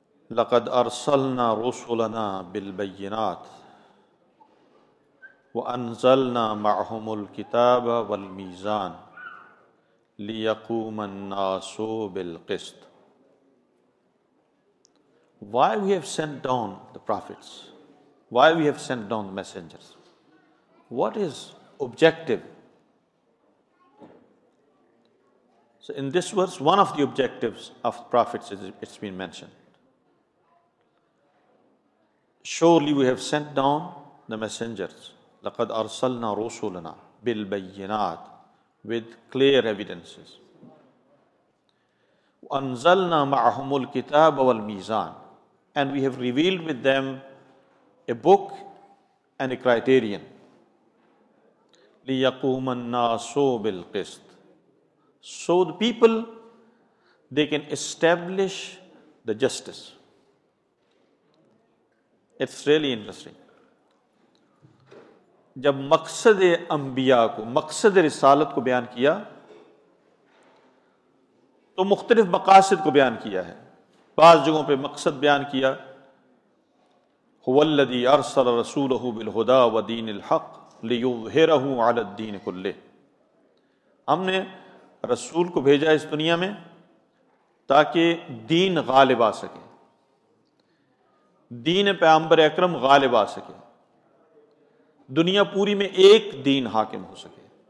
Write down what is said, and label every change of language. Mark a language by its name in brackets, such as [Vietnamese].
[Arabic] لقد ارسلنا رسلنا بالبینات وانزلنا معهم الكتاب والميزان ليقوم الناس بالقسط. [English] Why we have sent down the prophets? Why we have sent down the messengers? What is objective? So in this verse, one of the objectives of prophets is, it's been mentioned. Surely we have sent down the messengers. [Arabic] لَقَدْ أَرْسَلْنَا رُسُولَنَا بِالْبَيِّنَاتِ, [English] with clear evidences. [Arabic] وَأَنزَلْنَا مَعْهُمُ الْكِتَابَ وَالْمِيزَانِ, [English] and we have revealed with them a book and a criterion. [Arabic] لِيَقُومَ النَّاسُ بِالْقِسْطِ, [English] so the people, they can establish the justice. It's really interesting. [Urdu] جب مقصد انبیاء کو، مقصد رسالت کو بیان کیا تو مختلف مقاصد کو بیان کیا ہے. بعض جگہوں پہ مقصد بیان کیا [Arabic] هُوَ الَّذِي أَرْسَلَ رَسُولَهُ بِالْهُدَى وَدِينِ الْحَقِّ لِيُظْهِرَهُ عَلَى الدِّينِ كُلِّهِ, [Urdu] ہم نے رسول کو بھیجا اس دنیا میں تاکہ دین غالب آ سکے، دین پیغمبر اکرم غالب آ سکے، دنیا پوری میں ایک دین حاکم ہو سکے.